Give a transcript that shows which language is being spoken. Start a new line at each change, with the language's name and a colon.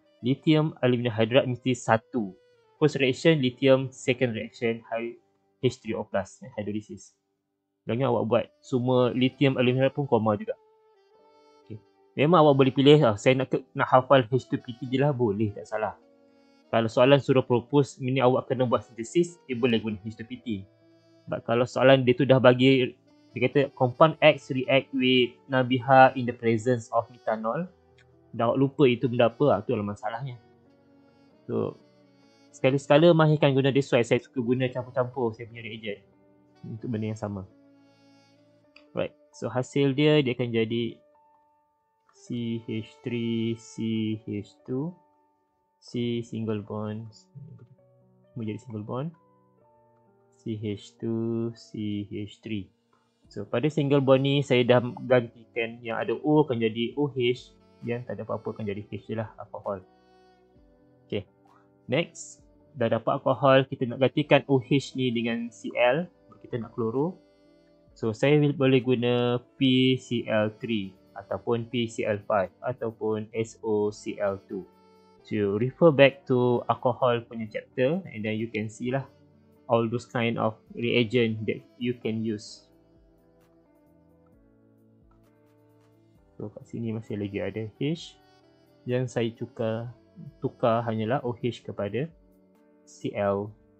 English: Lithium aluminium hydride mesti satu. First reaction, lithium, second reaction, H3O plus, hydrolysis.
Malay: Sebenarnya awak buat semua lithium aluminium hydride pun koma juga. Memang awak boleh pilih, saya nak hafal H2PT je lah, boleh, tak salah. Kalau soalan suruh propose, mini awak kena buat sintesis, dia boleh guna H2PT. But kalau soalan dia tu dah bagi, dia kata,
English: compound X react with Nabiha in the presence of methanol.
Malay: Dah awak lupa itu benda apa, tu lah masalahnya. So, sekali-sekala mahirkan guna,
English: that's why
Malay: saya suka guna campur-campur saya punya reagent. Untuk benda yang sama. Right, so hasil dia, dia akan jadi CH3, CH2, C single bond, menjadi single bond, CH2, CH3. So pada single bond ni saya dah gantikan yang ada O akan jadi OH, yang tak ada apa-apa akan jadi H lah, alkohol. Okay, next, dah dapat alkohol, kita nak gantikan OH ni dengan Cl, kita nak kloro. So saya boleh guna PCl3 ataupun PCl5 ataupun SOCl2.
English: So you refer back to alcohol punya chapter and then you can see lah all those kind of reagent that you can use.
Malay: So kat sini masih lagi ada H. Yang saya tukar hanyalah OH kepada Cl.